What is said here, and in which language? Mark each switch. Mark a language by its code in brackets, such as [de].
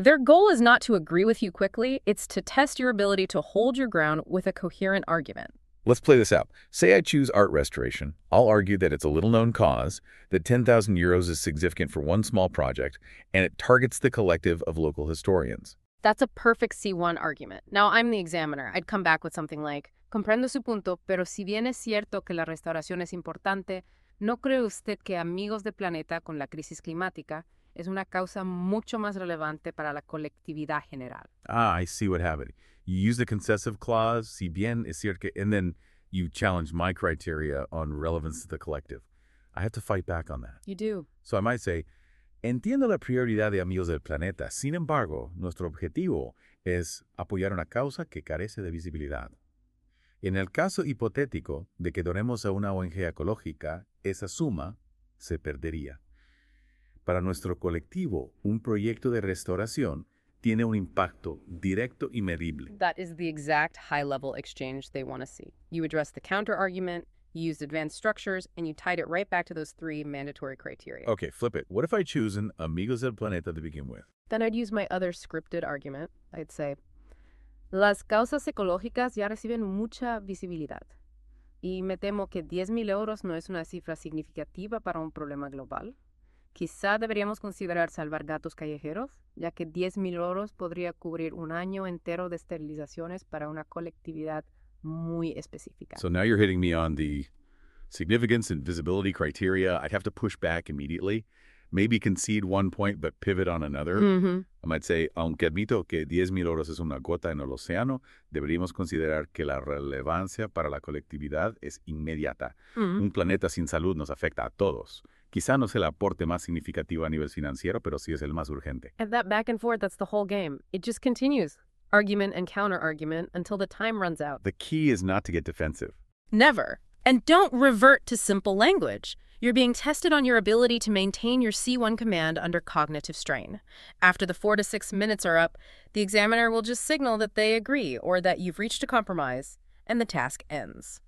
[en] Their goal is not to agree with you quickly. It's to test your ability to hold your ground with a coherent argument. Let's play this out. Say I choose art restoration. I'll argue that it's a little-known cause, that 10,000 euros is significant for one small project, and it targets the collective of local historians. That's a perfect C1 argument. Now, I'm the examiner. I'd come back with something like, [es] comprendo su punto, pero si bien es cierto que la restauración es importante, ¿no cree usted que Amigos de Planeta con la crisis climática es una causa mucho más relevante para la colectividad general? [en] Ah, I see what happened. You use the concessive clause, [es] si bien es cierto que, [en] and then you challenge my criteria on relevance to the collective. I have to fight back on that. You do. So I might say, [es] entiendo la prioridad de Amigos del Planeta. Sin embargo, nuestro objetivo es apoyar una causa que carece de visibilidad. En el caso hipotético de que donemos a una ONG ecológica, esa suma se perdería. Para nuestro colectivo, un proyecto de restauración tiene un impacto directo y medible. [en] That is the exact high-level exchange they want to see. You address the counter-argument, you use advanced structures, and you tied it right back to those three mandatory criteria. Okay, flip it. What if I choose an Amigos del Planeta to begin with? Then I'd use my other scripted argument. I'd say, [es] las causas ecológicas ya reciben mucha visibilidad. Y me temo que 10,000 euros no es una cifra significativa para un problema global. Quizá deberíamos considerar salvar gatos callejeros, ya que 10,000 euros podría cubrir un año entero de esterilizaciones para una colectividad muy específica. [en] So now you're hitting me on the significance and visibility criteria. I'd have to push back immediately. Maybe concede one point, but pivot on another. Mm-hmm. I might say, [es] aunque admito que 10,000 euros es una gota en el océano, deberíamos considerar que la relevancia para la colectividad es inmediata. Mm-hmm. Un planeta sin salud nos afecta a todos. Quizá no sea el aporte más significativo a nivel financiero, pero sí es el más urgente. [en] And that back and forth, that's the whole game. It just continues. Argument and counter-argument until the time runs out. The key is not to get defensive. Never. And don't revert to simple language. You're being tested on your ability to maintain your C1 command under cognitive strain. After the 4 to 6 minutes are up, the examiner will just signal that they agree or that you've reached a compromise, and the task ends.